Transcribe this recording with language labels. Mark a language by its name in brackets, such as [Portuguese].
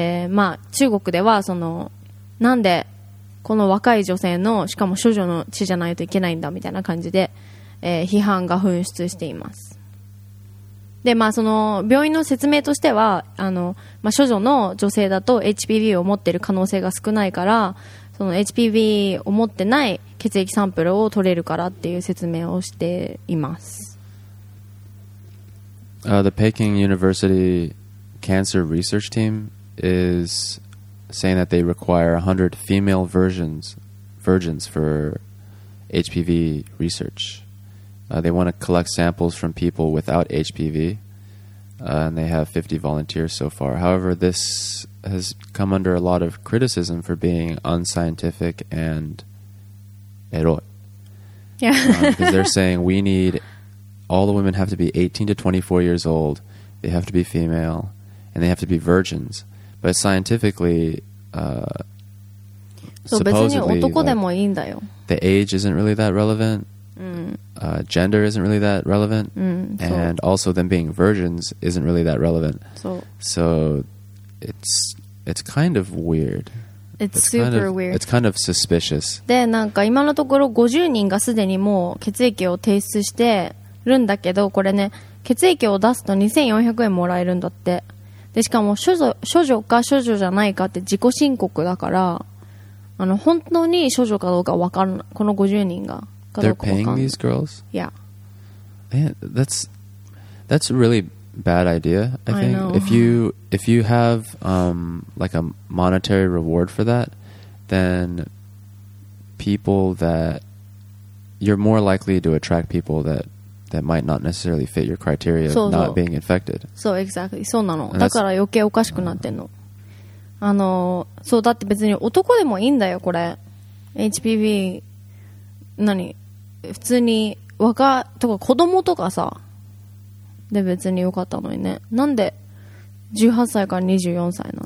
[Japanese] まあ、中国ではそのなんでこの若い女性のしかも処女の血じゃないといけないんだみたいな感じで、批判が噴出しています。で、まあ、その病院の説明としては、あの、まあ、処女の女性だと HPV を持っている可能性が少ないから、その HPV を持ってない血液サンプルを取れるからっていう説明をしています。 [English] The Peking University Cancer Research Team isSaying that they require 100 female virgins for HPV research. They want to collect samples from people without HPV, and they have 50 volunteers so far. However, this has come under a lot of criticism for being unscientific and erot. Yeah. Because they're saying we need, all the women have to be 18 to 24 years old, they have to be female, and they have to be virgins. But scientifically, [Japanese] そう、別に男でもいいんだよ。 [English] Like, the age isn't really that relevant.、gender isn't really that relevant.、and also them being virgins isn't really that relevant. So it's kind of weird. It's super weird. It's kind of suspicious. [Japanese] で、なんか今のところ50人がすでにもう血液を提出してるんだけど、これね、血液を出すと2400円もらえるんだって。でしかも処女か処女じゃないかって自己申告だから、あの、本当に処女かどうか分からない、この50人がかどうか分からない。 [English] They're paying these girls? Yeah. Man, that's a really bad idea, I think. I know. If you have like a monetary reward for that, then people that you're more likely to attract people that might not necessarily fit your criteria of not being infected. So, exactly. [Japanese] そうなの。だから余計おかしくなってんの。あのそうだって別に男でもいいんだよこれ HPV 何普通に若とか子供とかさで別に良かったのにねなんで18歳から24歳なの